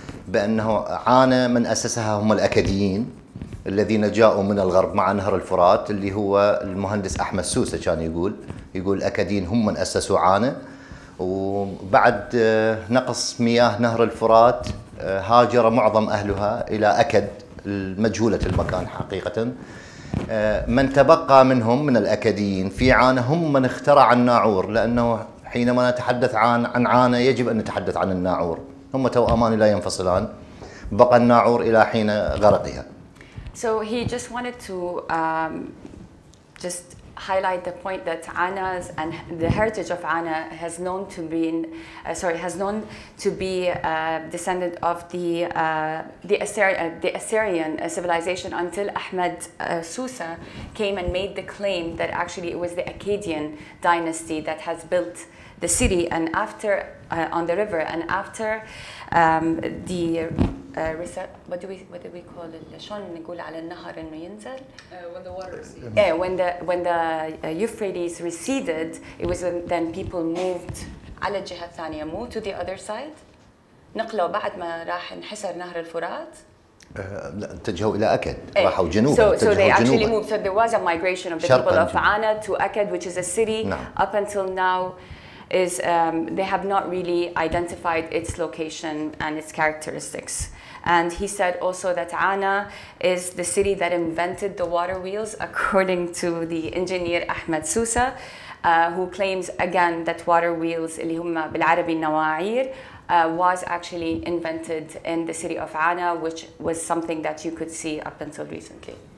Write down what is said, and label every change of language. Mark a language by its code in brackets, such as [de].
[ar] بأنه عانة من أسسها هم الأكاديين الذين جاءوا من الغرب مع نهر الفرات، اللي هو المهندس أحمد سوسة كان يقول الأكاديين هم من أسسوا عانة، وبعد نقص مياه نهر الفرات هاجر معظم أهلها إلى أكد المجهولة المكان حقيقة. من تبقى منهم من الأكاديين في عانة هم من اخترع الناعور، لأنه حينما نتحدث عن عانة يجب أن نتحدث عن الناعور، هم توأمان لا ينفصلان، بقى الناعور إلى حين غرقها. [en] So he just wanted to just highlight the point that Anah's and the heritage of Anah has known to be descendant of the Assyrian civilization until Ahmed Susa came and made the claim that actually it was the Akkadian dynasty that has built the city and after on the river and after the what do we call it? [ar] شلون نقول على النهر إنه ينزل؟ [en] When the water receded. Yeah, when the Euphrates receded, it was then people moved [ar] على الجهة الثانية, [en] moved to the other side. [ar] نقلوا بعد ما راح انحسر نهر الفرات. اتجهوا إلى أكد. راحوا جنوبا. [en] So they actually moved. So there was a migration of the people of Anah to Akkad, which is a city. نعم. Up until now. They have not really identified its location and its characteristics. And he said also that Anah is the city that invented the water wheels, according to the engineer Ahmed Sousa, who claims again that water wheels, [ar] اللي هم بالعربي النواعير, [en] was actually invented in the city of Anah, which was something that you could see up until recently.